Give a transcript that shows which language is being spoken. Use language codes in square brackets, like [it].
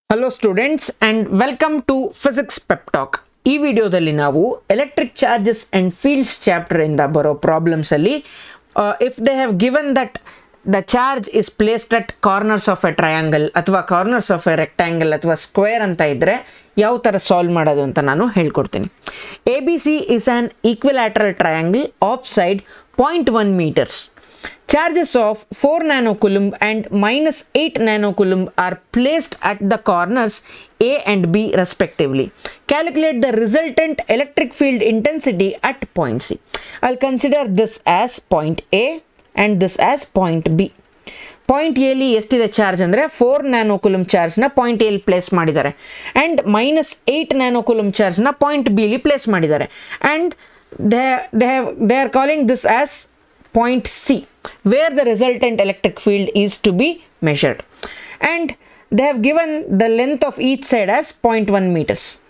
[en] Hello students and welcome to Physics Pep Talk. [kn] ಈ ವಿಡಿಯೋದಲ್ಲಿ ನಾವು electric charges and fields chapter ಇಂದ ಬರೋ ಪ್ರಾಬ್ಲಮ್ಸ್ ಅಲ್ಲಿ [en] if they have given that the charge is placed at corners of a triangle [kn] ಅಥವಾ [en] corners of a rectangle [kn] ಅಥವಾ square ಅಂತ ಇದ್ರೆ ಯಾವ ಥರ ಸಾಲ್ವ್ ಮಾಡೋದು ಅಂತ ನಾನು ಹೇಳ್ಕೊಡ್ತೀನಿ. [en] A B C is an equilateral triangle of side 0.1 meters. Charges of 4 nanocoulomb and minus 8 nanocoulomb are placed at the corners A and B respectively. Calculate the resultant electric field intensity at point C. I'll consider this as point A and this as point B. [kn] Point A ಲಿ ಎಷ್ಟಿದೆ charge ಅಂದರೆ 4 nanocoulomb ಚಾರ್ಜ್ನ point ಎಲ್ಲಿ place ಮಾಡಿದ್ದಾರೆ [en] And -8 nanocoulomb ಚಾರ್ಜ್ನ point B ಲಿ place ಮಾಡಿದ್ದಾರೆ and they are calling this as point C where the resultant electric field is to be measured and they have given the length of each side as 0.1 meters.